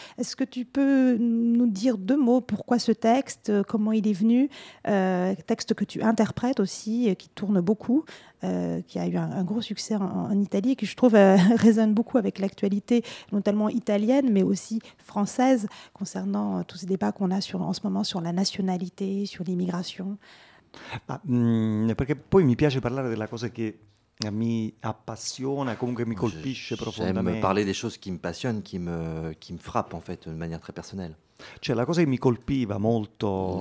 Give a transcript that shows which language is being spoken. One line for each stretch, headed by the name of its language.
French: Est-ce que tu peux nous dire deux mots, pourquoi ce texte, comment il est venu, texte que tu interprètes aussi, qui tourne beaucoup, qui a eu un gros succès en Italie, et qui, je trouve, résonne beaucoup avec l'actualité, notamment italienne, mais aussi française, concernant tous ces débats qu'on a en ce moment sur la nationalité, sur l'immigration.
Italian: Perché poi mi piace parlare della cosa che mi appassiona, comunque mi colpisce profondamente.
French: J'aime parler des choses qui me passionnent, qui me frappent, en fait, de manière très personnelle.
Italian: Cioè, la cosa che mi colpiva molto,